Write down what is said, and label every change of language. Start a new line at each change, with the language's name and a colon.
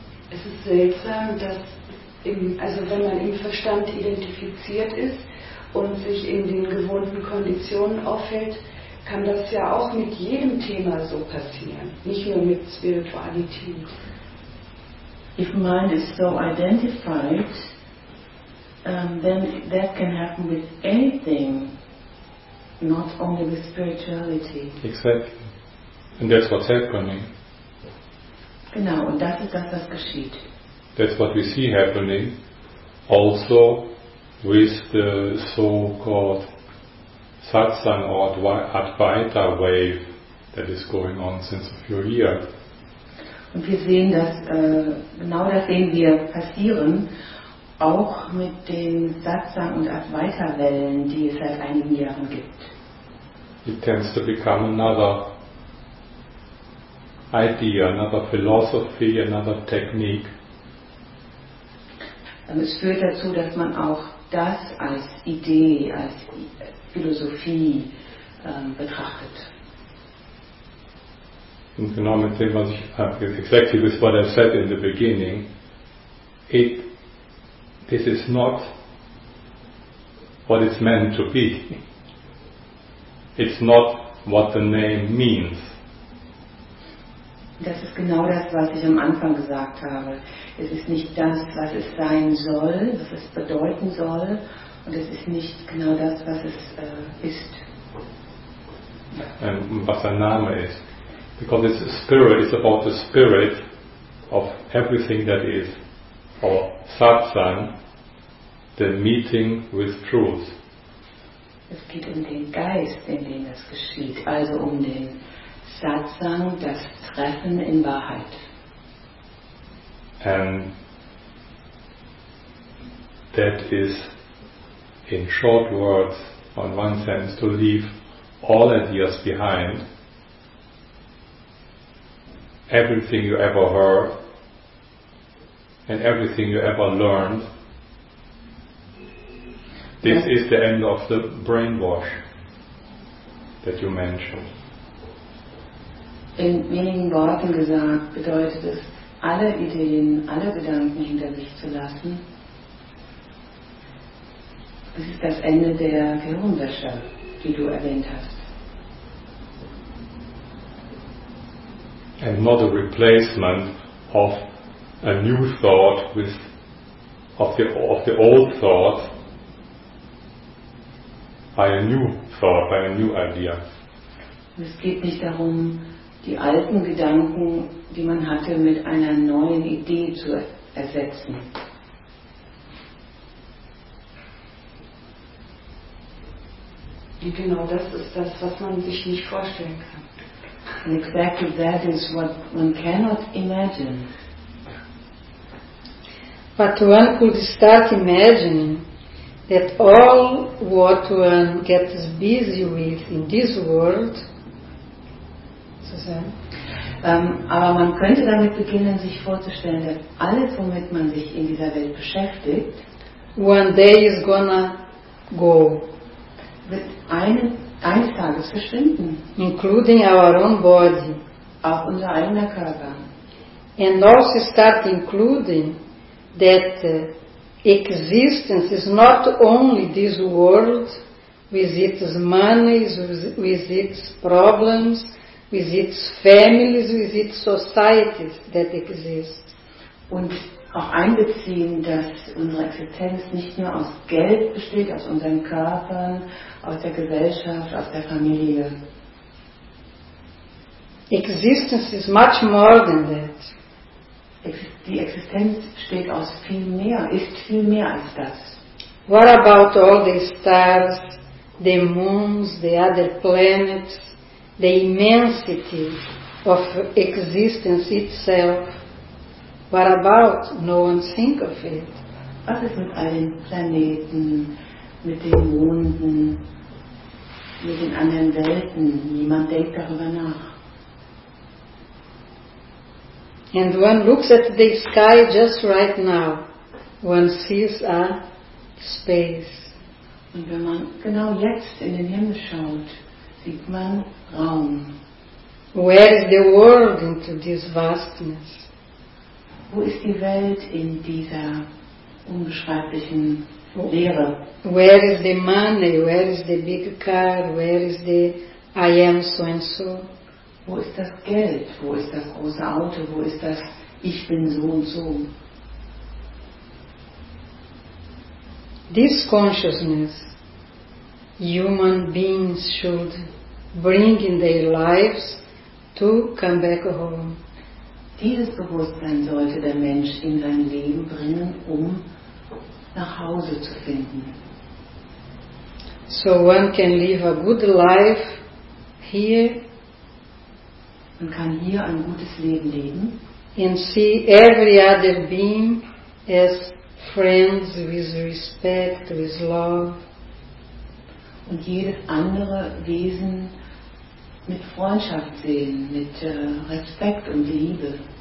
German: Es ist seltsam, dass wenn man im Verstand identifiziert ist und sich in den gewohnten Konditionen aufhält, kann das ja auch mit jedem Thema so passieren, nicht nur mit Spiritualität.
English: If mind is so identified, then that can happen with anything, not only with spirituality. Exactly. And that's what's happening.
German: Genau, und das ist das, was geschieht.
English: That's what we see happening also with the so-called satsang or advaita wave that is going on since a few years.
German: Und wir sehen das, genau das sehen wir passieren, auch mit den satsang und advaita Wellen, die es seit einigen Jahren gibt.
English: It tends to become another idea, another philosophy, another technique.
German: Es führt dazu, dass man auch das als Idee, als Philosophie betrachtet. Und genau mit dem, was ich
English: exactly with what I said in the beginning, this is not what it's meant to be. It's not what the name means.
German: Das ist genau das, was ich am Anfang gesagt habe. Es ist nicht das, was es sein soll, was es bedeuten soll, und es ist nicht genau das, was es ist. Was sein Name ist.
English: Because it's a spirit, it's about the spirit of everything that is. Or satsang, the meeting with truth.
German: Es geht um den Geist, in dem das geschieht, also um den Satsang, das Treffen in Wahrheit.
English: And that is in short words, on one sense, to leave all ideas behind, everything you ever heard and everything you ever learned. This is the end of the brainwash that you mentioned.
German: In wenigen Worten gesagt, bedeutet es, alle Ideen, alle Gedanken hinter sich zu lassen. Das ist das Ende der Gehirnwäsche, die du erwähnt hast.
English: And not a replacement of a new thought with of the old thought by a new thought, by a new idea.
German: Es geht nicht darum, die alten Gedanken, die man hatte, mit einer neuen Idee zu ersetzen. Und genau das ist das, was man sich nicht vorstellen kann.
English: And exactly that is what one cannot imagine. But one could start imagining that all what one gets busy with in this world.
German: Aber man könnte damit beginnen, sich vorzustellen, dass alles, womit man sich in dieser Welt beschäftigt,
English: one day is gonna go.
German: Wird eines Tages verschwinden.
English: Including our own body.
German: Auch unser eigener Körper.
English: And also start including that existence is not only this world with its money, with its problems, with its families, with its societies that exist.
German: Und auch einbeziehen, dass unsere Existenz nicht nur aus Geld besteht, aus unseren Körpern, aus der Gesellschaft, aus der Familie.
English: Existence is much more than that.
German: Die Existenz besteht aus viel mehr, ist viel mehr als das.
English: What about all the stars, the moons, the other planets? The immensity of existence itself. What about? No one thinks of it.
German: Was ist mit all den Planeten, mit den Monden, mit den anderen Welten? Niemand denkt darüber nach.
English: And one looks at the sky just right now. One sees a space.
German: Und wenn man genau jetzt in den Himmel schaut, sieht man Raum.
English: Where is the world into this vastness?
German: Wo ist die Welt in dieser unbeschreiblichen Leere?
English: Where is the money? Where is the big car? Where is the I am so and so?
German: Wo ist das Geld? Wo ist das große Auto? Wo ist das Ich bin so und so?
English: This consciousness human beings should bring in their lives to come back home.
German: Dieses Bewusstsein sollte der Mensch in sein Leben bringen, um nach Hause zu finden.
English: So one can live a good life here.
German: Man kann hier ein gutes Leben leben.
English: And see every other being as friends with respect, with love.
German: Und jedes andere Wesen mit Freundschaft sehen, mit Respekt und Liebe.